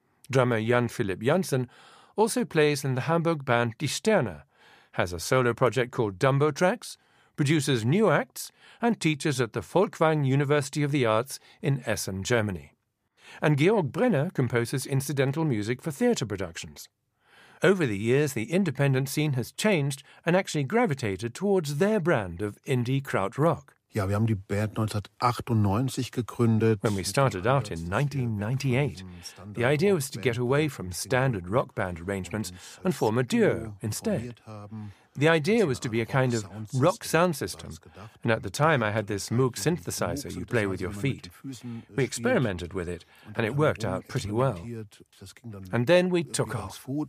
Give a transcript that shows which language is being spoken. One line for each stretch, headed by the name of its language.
English: Drummer Jan-Philipp Janssen also plays in the Hamburg band Die Sterne, has a solo project called Dumbo Tracks, produces new acts, and teaches at the Folkwang University of the Arts in Essen, Germany. And Georg Brenner composes incidental music for theatre productions. Over the years, the independent scene has changed and actually gravitated towards their brand of indie kraut rock.
German: Ja, wir haben die Band 1998 gegründet.
English: When we started out in 1998, the idea was to get away from standard rock band arrangements and form a duo instead. The idea was to be a kind of rock sound system, and at the time I had this Moog synthesizer you play with your feet. We experimented with it, and it worked out pretty well. And then we took off.